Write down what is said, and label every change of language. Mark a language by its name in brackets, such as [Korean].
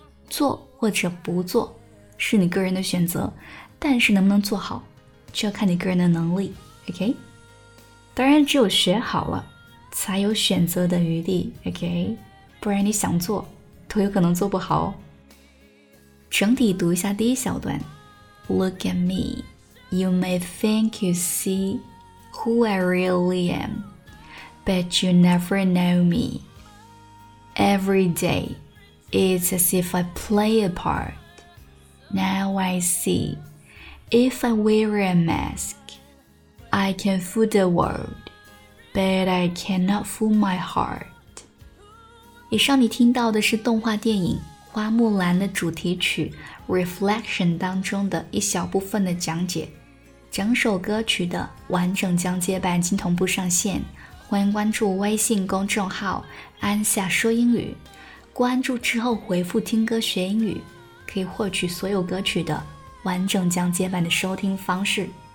[Chinese] 做或者不做是你个人的选择，但是能不能做好就要看你个人的能力， OK？当然只有学好了才有选择的余地， OK？不然你想做都有可能做不好哦。整体读一下第一小段， [English] Look at me, you may think you see who I really am, but you never know me. Every day, it's as if I play a part. Now I see, if I wear a mask, I can fool the world, but I cannot fool my heart. [Chinese] 以上你听到的是动画电影花木兰的主题曲 Reflection 当中的一小部分的讲解，整首歌曲的完整讲解版已经同步上线，欢迎关注微信公众号安夏说英语，关注之后回复听歌学英语，可以获取所有歌曲的完整讲解版的收听方式，